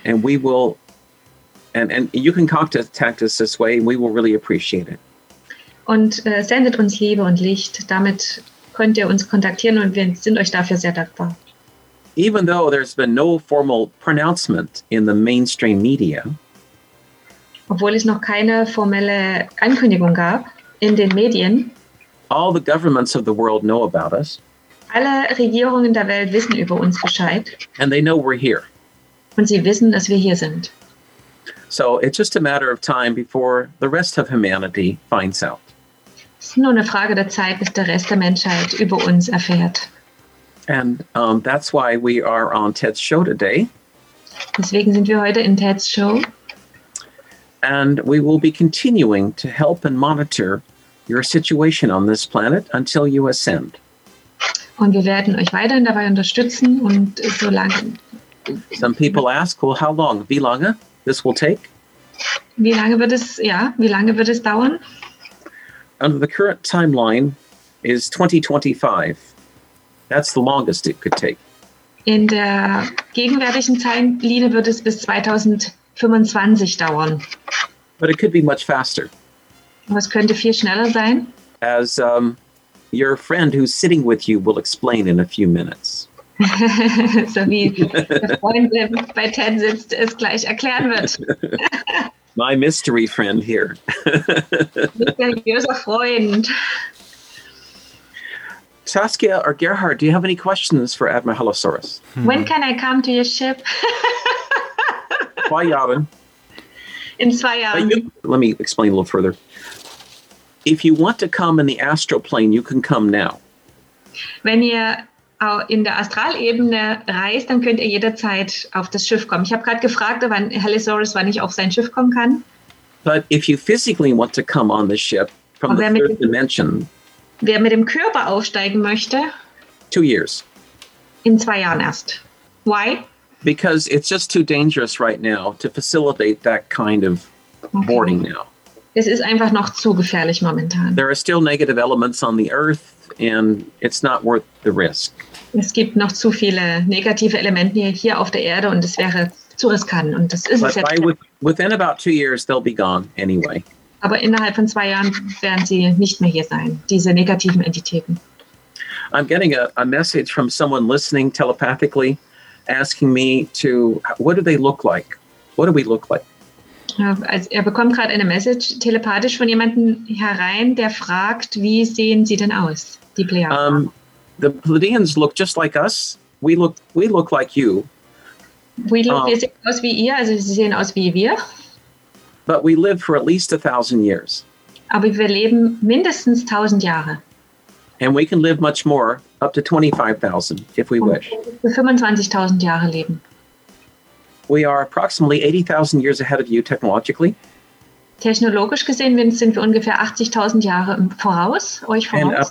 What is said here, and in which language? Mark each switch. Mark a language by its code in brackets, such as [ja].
[en] And we will, and you can contact us this way. And we will really appreciate it. [de] Und sendet uns Liebe und Licht. Damit könnt ihr uns kontaktieren und wir sind euch dafür sehr dankbar. [en] Even though there's been no formal pronouncement in the mainstream media, [de] obwohl es noch keine formelle Ankündigung gab in den Medien, [en] all the governments of the world know about us. [de] Alle Regierungen der Welt wissen über uns Bescheid. [en] And they know we're here. [de] Und sie wissen, dass wir hier sind. [en] So it's just a matter of time before the rest of humanity finds out. [de] Es ist nur eine Frage der Zeit, bis der Rest der Menschheit über uns erfährt. [en] And that's why we are on Ted's show today. [de] Deswegen sind wir heute in Ted's Show. [en] And we will be continuing to help and monitor your situation on this planet until you ascend. [de] Und wir werden euch weiterhin dabei unterstützen und so lange. [en] Some people ask, well, how long? [de] Wie lange? [en] This will take? [de] Wie lange wird es dauern? [en] Under the current timeline is 2025. That's the longest it could take. [de] In der gegenwärtigen Zeitlinie wird es bis 2025 dauern. [en] But it could be much faster. [de] Was könnte viel schneller sein? [en] As your friend who's sitting with you will explain in a few minutes. [de] So wie der Freund, der bei Ted sitzt, es gleich erklären wird. [en] My mystery friend here. [de] Mysteriöser Freund. [en] Saskia or Gerhard, do you have any questions for Admiralosaurus? When can I come to your ship? Why, Yavin? In 2 hours. Let me explain a little further. If you want to come in the astral plane, you can come now. [de] Wenn ihr in der Astralebene reist, dann könnt ihr jederzeit auf das Schiff kommen. Ich habe gerade gefragt, wann Halosaurus, wann ich auf sein Schiff kommen kann. [en] But if you physically want to come on the ship from the third dimension. [de] Wer mit dem Körper aufsteigen möchte. [en] 2 years. [de] In 2 Jahren erst. [en] Why? Because it's just too dangerous right now to facilitate that kind of boarding now. [de] Es ist einfach noch zu gefährlich momentan. [en] There are still negative elements on the Earth and it's not worth the risk. [de] Es gibt noch zu viele negative Elemente hier auf der Erde und es wäre zu riskant und das ist es jetzt. [en] Within about 2 years they'll be gone anyway. [de] Aber innerhalb von 2 Jahren werden sie nicht mehr hier sein, diese negativen Entitäten. [en] I'm getting a message from someone listening telepathically asking me to, what do they look like? What do we look like? [de] Also er bekommt gerade eine Message telepathisch von jemandem herein, der fragt, wie sehen sie denn aus, die Plejaden? [en] The Pleiadians look just like us. We look like you. [de] Wir sehen aus wie ihr, also sie sehen aus wie wir. [en] But we live for at least 1,000 years. [de] Aber wir leben mindestens 1,000 Jahre. [en] And we can live much more, up to 25,000, if we wish. [de] Wir können 25,000 Jahre leben. [en] We are approximately 80,000 years ahead of you technologically. [de] Technologisch gesehen sind wir ungefähr 80,000 Jahre voraus, euch voraus.